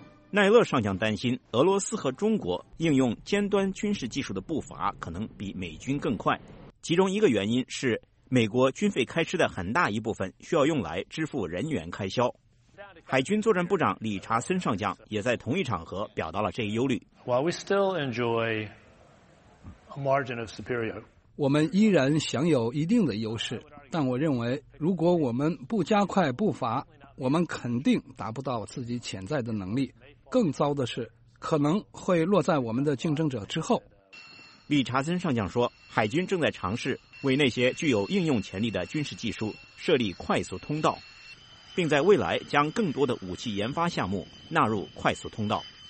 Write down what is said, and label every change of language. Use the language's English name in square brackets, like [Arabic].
[Chinese] 奈勒上将担心，俄罗斯和中国应用尖端军事技术的步伐可能比美军更快，其中一个原因是美国军费开支的很大一部分需要用来支付人员开销。海军作战部长理查森上将也在同一场合表达了这一忧虑。 [English] While we still enjoy a margin of superiority, [Chinese] 我们依然享有一定的优势，但我认为如果我们不加快步伐，我们肯定达不到自己潜在的能力，更糟的是可能会落在我们的竞争者之后。理查森上将说，海军正在尝试为那些具有应用潜力的军事技术设立快速通道，并在未来将更多的武器研发项目纳入快速通道。